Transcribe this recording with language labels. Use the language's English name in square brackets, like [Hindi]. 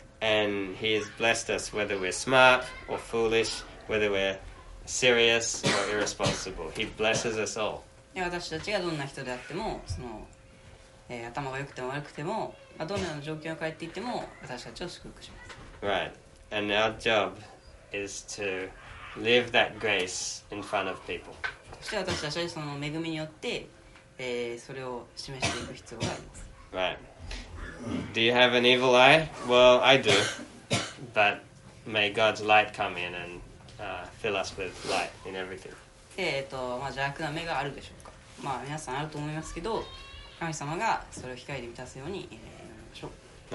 [English] And he has blessed us whether we're smart or foolish, whether we're serious or irresponsible. He blesses us all. [Japanese] 私たちがどんな人であっても、その、頭が良くても悪くても、どんな状況を変えていっても、私たちを祝福します。 [English] Right. And our job is to live that grace in front of people. [Japanese] そして私たちはその恵みによって、それを示していく必要があります。 [English] Right. Do you have an evil eye? Well, I do. But may God's light come in and, fill us with light in everything. [Japanese] まあ、邪悪な目があるでしょうか。まあ皆さんあると思いますけど、神様がそれを光で満たすように、祈りましょう。